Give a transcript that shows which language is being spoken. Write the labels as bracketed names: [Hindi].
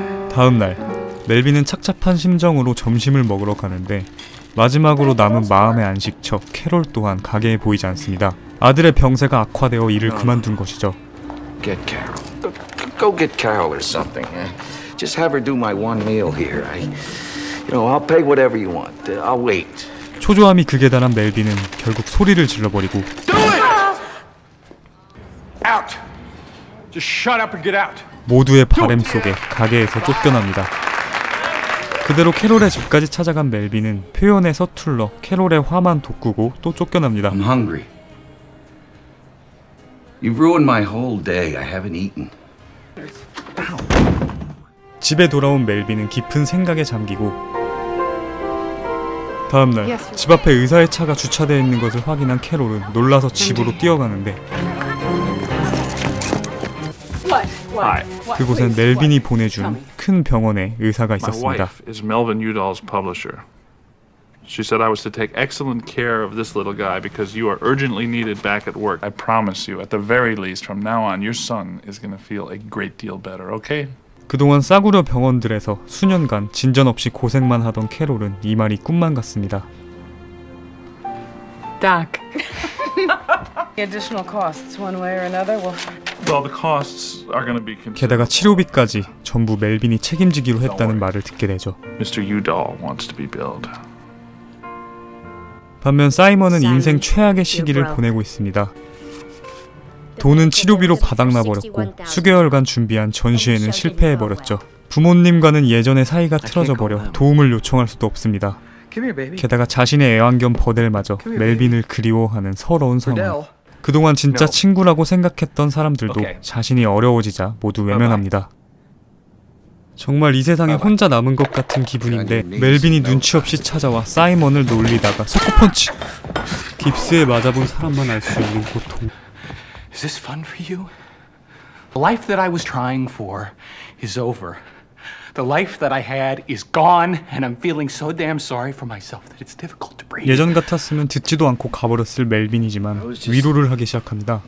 [Korean] 다음 날 멜빈은 착잡한 심정으로 점심을 먹으러 가는데 마지막으로 남은 마음의 안식처 캐롤 또한 가게에 보이지 않습니다. 아들의 병세가 악화되어 일을 그만둔 것이죠. [English] Get Carol. Go get Carol or something. Just have her do my one meal here. You know, I'll pay whatever you want. I'll wait. [Korean] 초조함이 극에 달한 멜빈은 결국 소리를 질러버리고 [English] Do it! Out! Just shut up and get out! [Korean] 모두의 바람 속에 가게에서 쫓겨납니다. 그대로 캐롤의 집까지 찾아간 멜빈은 표현에 서툴러 캐롤의 화만 돋구고 또 쫓겨납니다. [English] I'm hungry. You've ruined my whole day. I haven't eaten. [Korean] 집에 돌아온 멜빈은 깊은 생각에 잠기고 다음 날 집 앞에 의사의 차가 주차되어 있는 것을 확인한 캐롤은 놀라서 집으로 뛰어가는데 그곳엔 멜빈이 보내준 큰 병원에 의사가 있었습니다. [English] My wife is Melvin Udall's publisher. She said I was to take excellent care of this little guy because you are urgently needed back at work. I promise you, at the very least, from now on, your son is going to feel a great deal better, okay? [Korean] 그동안 싸구려 병원들에서 수년간 진전 없이 고생만 하던 캐롤은 이 말이 꿈만 같습니다. [English] Doc, the additional costs, one way or another, will... Well, the costs are going to be considered. [Korean] 게다가 치료비까지 전부 멜빈이 책임지기로 했다는 말을 듣게 되죠. [English] Mr. Udall wants to be billed. [Korean] 반면 사이먼은 인생 최악의 시기를 보내고 있습니다. 돈은 치료비로 바닥나 버렸고 수개월간 준비한 전시회는 실패해 버렸죠. 부모님과는 예전의 사이가 틀어져 버려 도움을 요청할 수도 없습니다. 게다가 자신의 애완견 버델마저 멜빈을 그리워하는 서러운 상황. 그동안 진짜 친구라고 생각했던 사람들도 자신이 어려워지자 모두 외면합니다. 정말 이 세상에 혼자 남은 것 같은 기분인데 멜빈이 눈치 없이 찾아와 사이먼을 놀리다가 석고펀치! 깁스에 맞아본 사람만 알 수 있는 고통. [English] Is this fun for you? The life that I was trying for is over. The life that I had is gone and I'm feeling so damn sorry for myself that it's difficult to breathe. [Korean] 예전 같았으면 듣지도 않고 가버렸을 멜빈이지만 위로를 하기 시작합니다.